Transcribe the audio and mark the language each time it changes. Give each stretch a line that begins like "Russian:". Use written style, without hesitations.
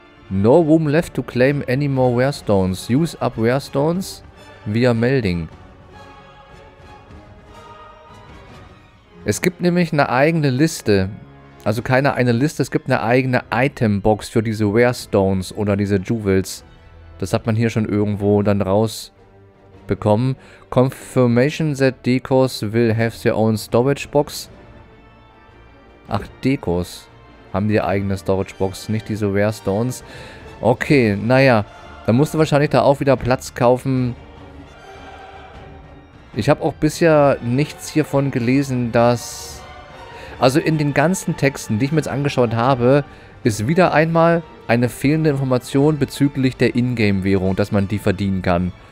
English: No room left to claim any more Rare Stones. Use up Rare Stones via Melding.
German: Es gibt nämlich eine eigene Liste, also keine eine Liste, es gibt eine eigene Itembox für diese Rare Stones oder diese Jewels. Das hat man hier schon irgendwo dann rausbekommen.
English: Confirmation that Decos will have their own storage box.
German: Ach, Decos haben die eigene Storage Box, nicht diese Rare Stones. Okay, naja, dann musst du wahrscheinlich da auch wieder Platz kaufen. Ich habe auch bisher nichts hiervon gelesen, dass... Also in den ganzen Texten, die ich mir jetzt angeschaut habe, ist wieder einmal eine fehlende Information bezüglich der Ingame-Währung, dass man die verdienen kann.